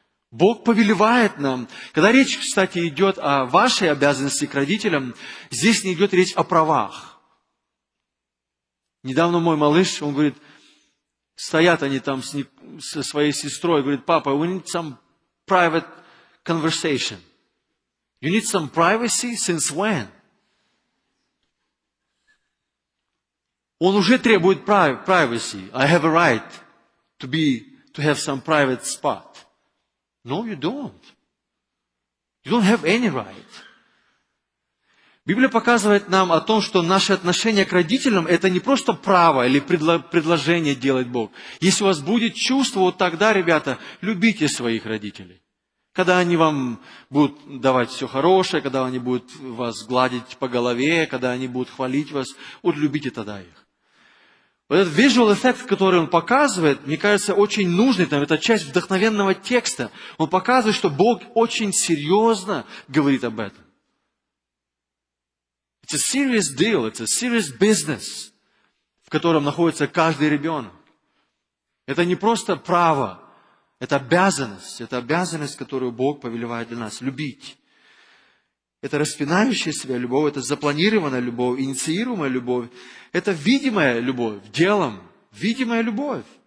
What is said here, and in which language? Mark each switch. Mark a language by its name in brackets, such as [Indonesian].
[Russian] Бог повелевает нам. Когда речь, кстати, идет о вашей обязанности к родителям, здесь не идет речь о правах. Недавно мой малыш, он говорит, стоят они там со своей сестрой, говорит, папа, [English] we need some private conversation. You need some privacy since when? [Russian] Он уже требует privacy. [English] I have a right to have some private spot. No, you don't. You don't have any right. [Russian] Библия показывает нам о том, что наше отношение к родителям – это не просто право или предложение делать Бог. Если у вас будет чувство, вот тогда, ребята, любите своих родителей. Когда они вам будут давать все хорошее, когда они будут вас гладить по голове, когда они будут хвалить вас, вот любите тогда их. Вот этот visual effect, который он показывает, мне кажется, очень нужный. Там, это часть вдохновенного текста. Он показывает, что Бог очень серьезно говорит об этом. [English] It's a serious deal, it's a serious business, [Russian] в котором находится каждый ребенок. Это не просто право, это обязанность, которую Бог повелевает для нас, любить. Это распинающая себя любовь, это запланированная любовь, инициируемая любовь, это видимая любовь, делом, видимая любовь.